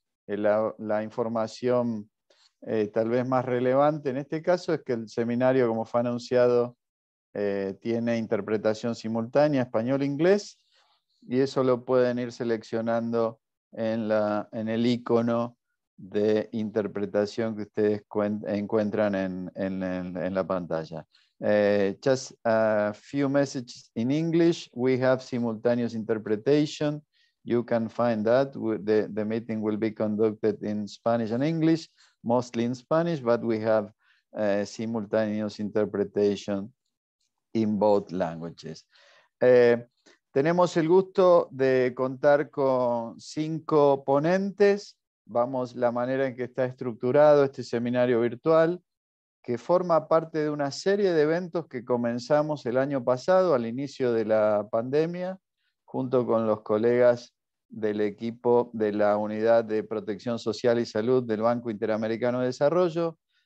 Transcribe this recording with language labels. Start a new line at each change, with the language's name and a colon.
Spanish: La información tal vez más relevante en este caso es que el seminario, como fue anunciado, tiene interpretación simultánea español-inglés y eso lo pueden ir seleccionando en el icono de interpretación que ustedes encuentran en la pantalla.
English: Just a few messages in English. We have simultaneous interpretation. You can find that. The meeting will be conducted in Spanish and English, mostly in Spanish, but we have simultaneous interpretation in both languages.
Spanish: Tenemos el gusto de contar con cinco ponentes. Vamos, la manera en que está estructurado este seminario virtual, que forma parte de una serie de eventos que comenzamos el año pasado, al inicio de la pandemia, junto con los colegas del equipo de la Unidad de Protección Social y Salud del Banco Interamericano de Desarrollo.